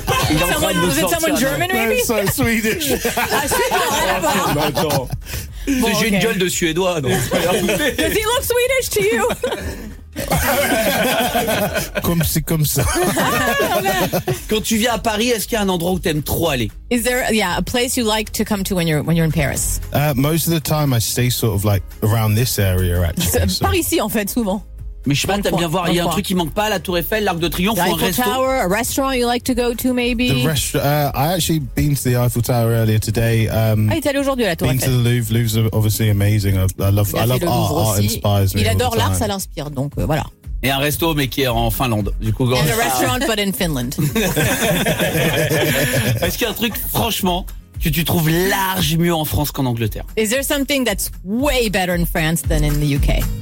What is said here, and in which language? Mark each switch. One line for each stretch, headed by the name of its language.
French: Il est en train de nous sortir.
English: Someone German, maybe? No, so Swedish.
French: Ah, c'est bon, j'ai une gueule de Suédois, donc.
English: Does he look Swedish to you?
French: Comme c'est comme ça. Quand tu viens à Paris, est-ce qu'il y a un endroit où t'aimes trop aller?
English: Is there a place you like to come to when you're in Paris? Most of the time I stay sort of like around this area actually. So.
French: Par ici en fait souvent. Mais je sais pas, t'aimes bien voir, il y a un truc qui manque pas, la Tour Eiffel, l'Arc de Triomphe, un resto.
English: Tower, a restaurant you like to go to maybe? I actually been to the Eiffel Tower earlier today.
French: Ah, t'es allé aujourd'hui à la Tour
English: Eiffel. Been to the Louvre, Louvre's obviously amazing. I love art,
French: aussi.
English: Art inspires me.
French: Il adore l'art, ça l'inspire, donc voilà. Et un resto, mais qui est en Finlande. Du coup,
English: and a restaurant, but in Finland.
French: Est-ce qu'il y a un truc, franchement, que tu trouves large mieux en France qu'en Angleterre?
English: Is there something that's way better in France than in the UK?